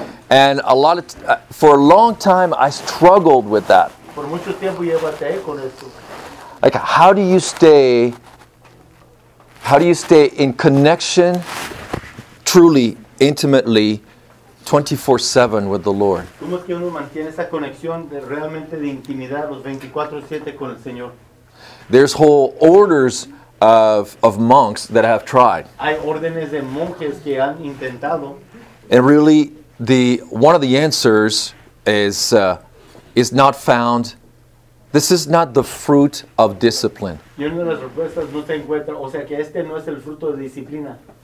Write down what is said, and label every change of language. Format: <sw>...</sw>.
<en>And a lot of for a long time I struggled with that.</en> <es>Por mucho tiempo yo batallé con esto.</es> <en>Like how do you stay in connection truly, intimately, 24/7 with the Lord?</en> <es>¿Cómo es que uno mantiene esa conexión de realmente de intimidad los 24/7 con el Señor?</es> <en>There's whole orders of monks that have tried.</en> <es>Hay órdenes de monjes que han intentado.</es> <en>And really, one of the answers is not found. This is not the fruit of discipline.</en> <es>Y una de las respuestas no se encuentra, o sea que este no es el fruto de disciplina.</es>